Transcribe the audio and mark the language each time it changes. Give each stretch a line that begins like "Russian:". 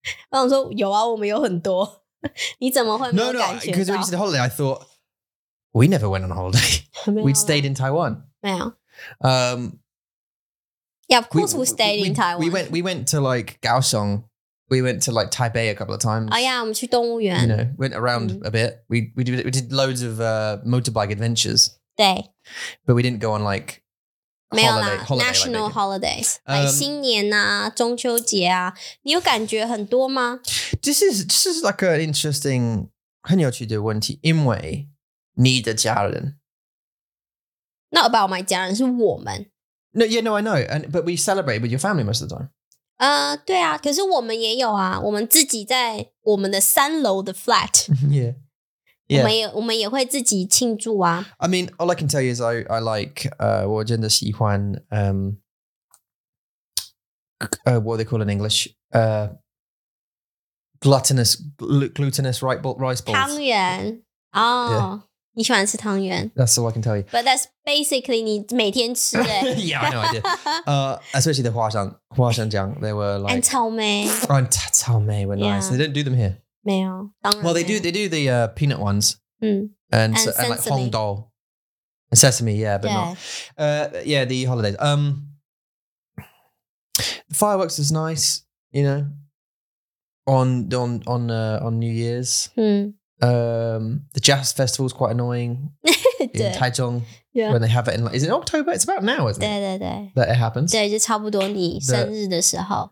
Chinese: 我想说有啊，我们有很多。你怎么会没有感觉到？
English: No, no, because when you said holiday, I thought, we never went on holiday. We'd stayed in Taiwan.
Chinese: 没有。
English: Yeah, of course we stayed in Taiwan. We went to like Kaohsiung. We went to like Taipei a couple of times. Oh yeah,
Chinese: 我们去动物园。
English: You know, went around a bit. We did loads of motorbike adventures.
Chinese: 对。
English: But we didn't go on like holiday,
Chinese: 没有啦
English: holiday national like holidays.
Chinese: 新年啊，中秋节啊，你有感觉很多吗？
English: This is like an interesting,
Chinese: 很有趣的问题，因为你的家人。
English: Not about my 家人，
Chinese: 是我们。
English: No, yeah, no, I know. But we celebrate with your family most of the time.
Chinese: 对啊，可是我们也有啊，我们自己在我们的三楼的 flat，
English: yeah. Yeah.
Chinese: 我们也会自己庆祝啊。
English: I mean, all I can tell you is I like
Chinese: 我真的喜欢
English: what they call in English glutinous rice balls
Chinese: 汤圆哦。Yeah. 你喜欢吃汤圆
English: That's all I can tell you. But that's basically
Chinese: 你每天吃的。
English: Yeah, I know, I did. Especially the 花生酱, they were like... And 草莓。 And 草莓 were nice. They didn't do them here.
Chinese: 没有，当然。
English: Well, they do the peanut ones. And like 红豆。And sesame, yeah, but not. Yeah, the holidays. Fireworks is nice, you know, on New Year's. The jazz festival is quite annoying in Taichung yeah. when they have it in, is it October? It's about now, isn't it?
Chinese: 对对对
English: That it happens.
Chinese: 对，就差不多你生日的时候。